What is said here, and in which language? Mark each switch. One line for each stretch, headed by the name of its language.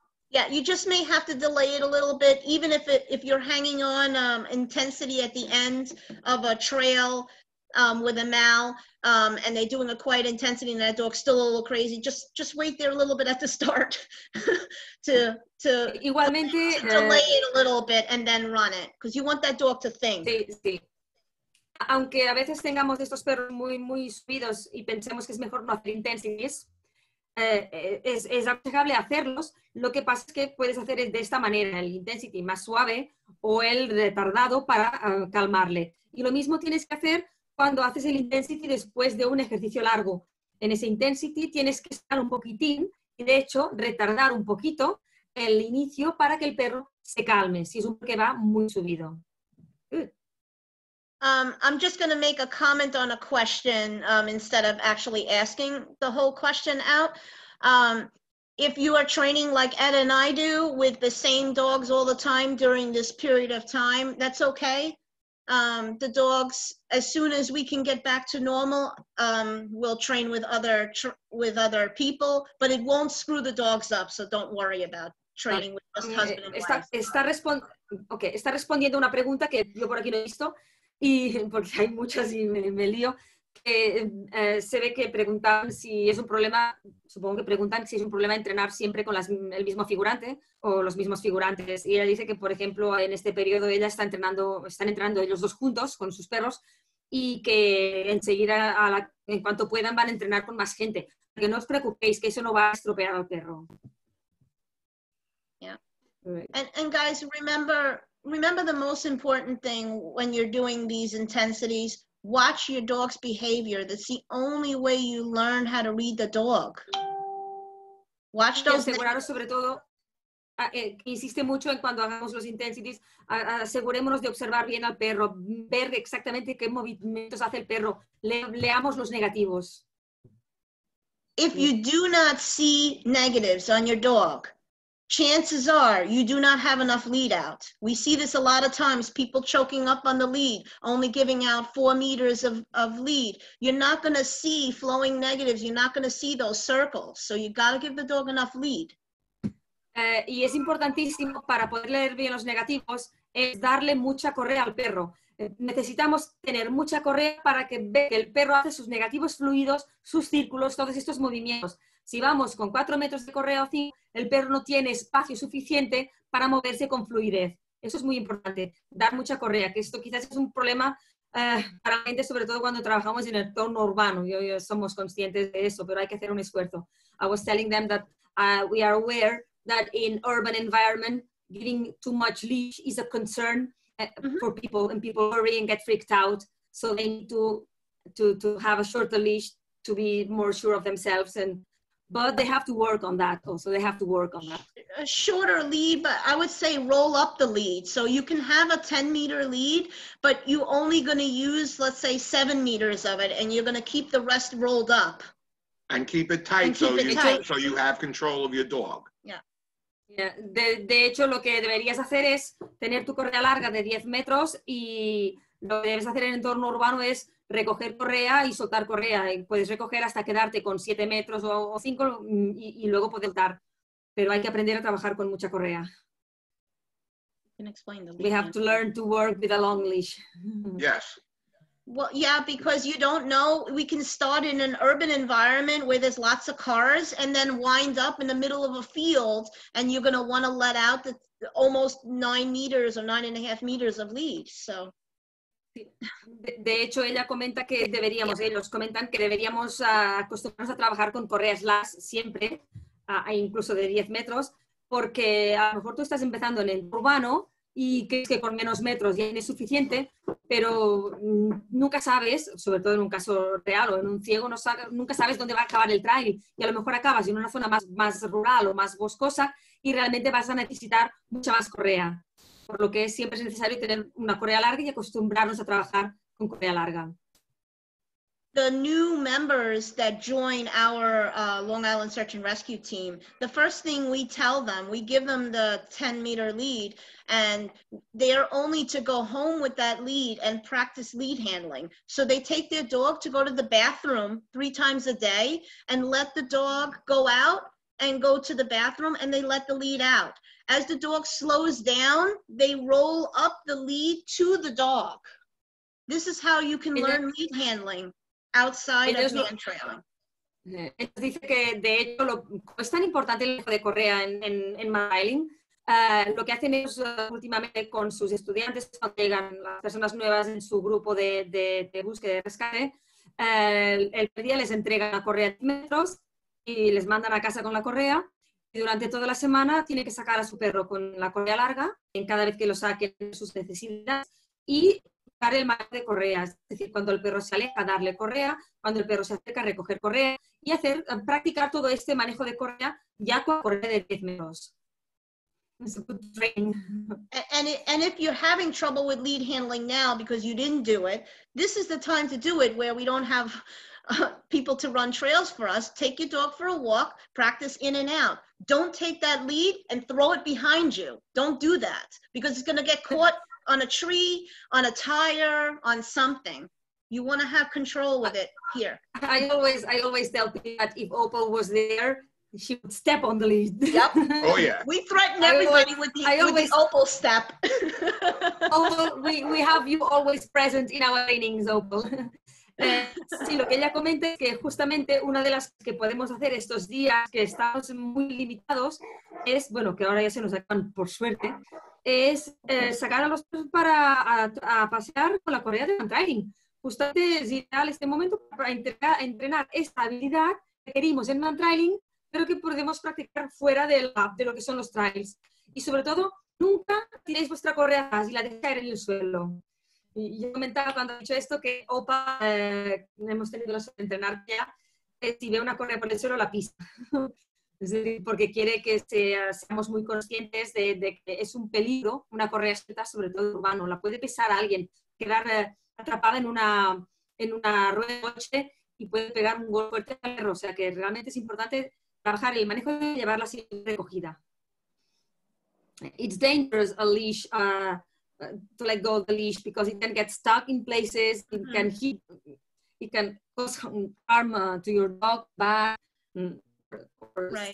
English: Yeah, you just may have to delay it a little bit, even if it if you're hanging on intensity at the end of a trail with a mal and they're doing a quiet intensity and that dog's still a little crazy. Just wait there a little bit at the start to
Spanish: igualmente
English: to delay it a little bit and then run it because you want that dog to think.
Spanish: Sí, sí. Aunque a veces tengamos estos perros muy muy subidos y pensemos que es mejor no hacer intensities. Es aconsejable hacerlos, lo que pasa es que puedes hacer de esta manera, el intensity más suave o el retardado para calmarle. Y lo mismo tienes que hacer cuando haces el intensity después de un ejercicio largo. En ese intensity tienes que estar un poquitín y de hecho retardar un poquito el inicio para que el perro se calme, si es un que va muy subido.
English: I'm just going to make a comment on a question instead of actually asking the whole question out. If you are training like Ed and I do with the same dogs all the time during this period of time, that's okay. The dogs, as soon as we can get back to normal, we'll train with other people, but it won't screw the dogs up, so don't worry about training with just husband and wife.
Spanish: Está respondiendo una pregunta que yo por aquí no he visto. Y porque hay muchas y me lío, que se ve que preguntan si es un problema, supongo que preguntan si es un problema entrenar siempre con el mismo figurante o los mismos figurantes. Y ella dice que, por ejemplo, en este periodo ella está entrenando, están entrenando ellos dos juntos con sus perros y que enseguida, en cuanto puedan, van a entrenar con más gente. Que no os preocupéis, que eso no va a estropear al perro.
English: And guys, remember the most important thing when you're doing these intensities, watch your dog's behavior. That's the only way you learn how to read the dog. Watch those.
Spanish: Aseguraros sobre todo, insiste mucho en cuando hagamos los intensities, asegurémonos de observar bien al perro, ver exactamente qué movimientos hace el perro, leamos los negativos.
English: If you do not see negatives on your dog, chances are you do not have enough lead out. We see this a lot of times, people choking up on the lead, only giving out 4 meters of lead. You're not going to see flowing negatives. You're not going to see those circles. So you got to give the dog enough lead.
Spanish: Y es importantísimo para poder leer bien los negativos es darle mucha correa al perro. Necesitamos tener mucha correa para que vea que el perro hace sus negativos fluidos, sus círculos, todos estos movimientos. Si vamos con 4 metros de correa o 5, el perro no tiene espacio suficiente para moverse con fluidez. Eso es muy importante, dar mucha correa, que esto quizás es un problema para la gente, sobre todo cuando trabajamos en el entorno urbano. Yo somos conscientes de eso, pero hay que hacer un esfuerzo.
English: I was telling them that we are aware that in urban environment, giving too much leash is a concern for people, and people worry and get freaked out, so they need to have a shorter leash to be more sure of themselves. But they have to work on that also. They have to work on that. A shorter lead, but I would say roll up the lead. So you can have a 10-meter lead, but you're only going to use, let's say, 7 meters of it, and you're going to keep the rest rolled up. And keep it tight, so you have control of your dog. Yeah. Yeah.
Spanish: De hecho, lo que deberías hacer es tener tu correa larga de 10 metros, y lo que debes hacer en el entorno urbano es recoger correa y soltar correa. Puedes recoger hasta quedarte con 7 metros o 5 y luego poder soltar. Pero hay que aprender a trabajar con mucha correa.
English: You can explain the leash. We have to learn to work with a long leash. Yes. Well, yeah, because you don't know. We can start in an urban environment where there's lots of cars and then wind up in the middle of a field and you're going to want to let out the almost 9 meters or 9.5 meters of leash. So.
Spanish: De hecho, ella comenta que deberíamos, ellos comentan que deberíamos acostumbrarnos a trabajar con correas las siempre, incluso de 10 metros, porque a lo mejor tú estás empezando en el urbano y crees que con menos metros ya es suficiente, pero nunca sabes, sobre todo en un caso real o en un ciego, nunca sabes dónde va a acabar el trail y a lo mejor acabas en una zona más rural o más boscosa y realmente vas a necesitar mucha más correa. Por lo que siempre es necesario tener una correa larga y acostumbrarnos a trabajar con correa larga.
English: the new members that join our Long Island Search and Rescue team, the first thing we tell them, we give them the 10 meter lead, and they are only to go home with that lead and practice lead handling. So they take their dog to go to the bathroom 3 times a day and let the dog go out and go to the bathroom, and they let the lead out. As the dog slows down, they roll up the lead to the dog. This is how you can learn lead handling outside of hand trailing.
Spanish: Ellos dicen que, de hecho, como es tan importante el manejo de correa en mailing, lo que hacen ellos últimamente con sus estudiantes, cuando llegan las personas nuevas en su grupo de búsqueda de rescate, el primer día les entregan la correa de metros y les mandan a casa con la correa. Y durante toda la semana tiene que sacar a su perro con la correa larga, en cada vez que lo saque sus necesidades, y buscar el manejo de correa. Es decir, cuando el perro se aleja, darle correa, cuando el perro se acerca, recoger correa, y hacer practicar todo este manejo de correa ya con correa de 10 metros.
English: It's a good training. And if you're having trouble with lead handling now because you didn't do it, this is the time to do it where we don't have people to run trails for us. Take your dog for a walk, practice in and out. Don't take that lead and throw it behind you. Don't do that because it's going to get caught on a tree, on a tire, on something. You want to have control with it here. I always tell people that if Opal was there, she would step on the lead. Yep. Oh yeah. We threaten everybody with the Opal step. Opal, we have you always present in our trainings, Opal.
Spanish: Sí, lo que ella comenta es que justamente una de las que podemos hacer estos días que estamos muy limitados es, bueno, que ahora ya se nos acaban por suerte, es sacar a los perros para a pasear con la correa de hand trailing. Justamente es ideal este momento para entrenar esta habilidad que queremos en hand trailing, pero que podemos practicar fuera de lo que son los trails. Y sobre todo, nunca tiréis vuestra correa atrás y la dejéis caer en el suelo. Yo comentaba cuando he dicho esto que Opa, hemos tenido la suerte de entrenar ya, si ve una correa por el suelo, la pisa. Es decir, porque quiere que seamos muy conscientes de que es un peligro una correa suelta, sobre todo urbano. La puede pisar a alguien, quedar atrapada en una rueda de coche y puede pegar un golpe fuerte al perro. O sea que realmente es importante trabajar el manejo de llevarla sin recogida.
English: It's dangerous a leash. To let go of the leash because it can get stuck in places, it mm-hmm. can hit, it can cause harm to your dog, bad, or right.